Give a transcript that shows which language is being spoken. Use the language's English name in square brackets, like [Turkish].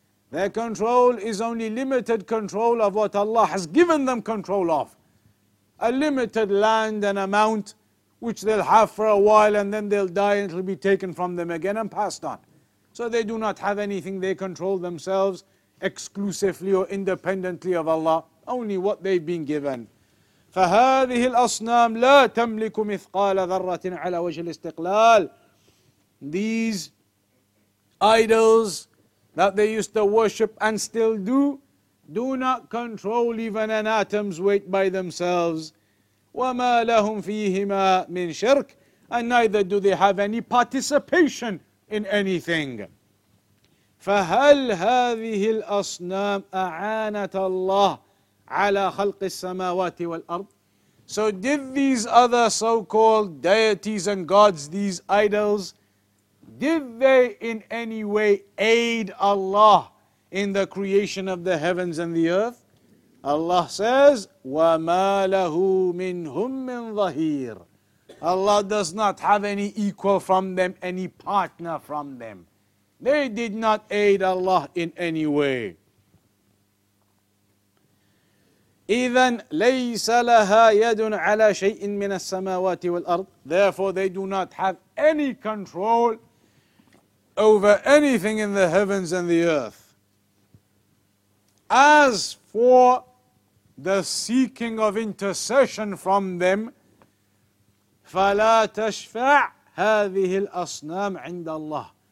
[English] Their control is only limited control of what Allah has given them control of. A limited land and amount which they'll have for a while and then they'll die and it'll be taken from them again and passed on. So they do not have anything they control themselves exclusively or independently of Allah. Only what they've been given. [Arabic] فهذه الأصنام لا تملك مثقال ذرة على وجه الاستقلال. [English] These idols that they used to worship and still do not control even an atom's weight by themselves. [Arabic] وما لهم فيهما من شرك. [English] And neither do they have any participation in anything. [Arabic] فهل هذه الأصنام أعانت الله على خلق السماوات والأرض. [English] So did these other so-called deities and gods, these idols, did they in any way aid Allah in the creation of the heavens and the earth? Allah says, [Arabic] وَمَا لَهُ مِنْهُمْ مِنْ ظَهِيرٍ. [English] Allah does not have any equal from them, any partner from them. They did not aid Allah in any way. [Arabic] إذن ليس لها يد على شيء من السماوات والأرض. [English] Therefore they do not have any control over anything in the heavens and the earth. As for the seeking of intercession from them, [Arabic] فلا تشفع هذه الأصنام عند الله.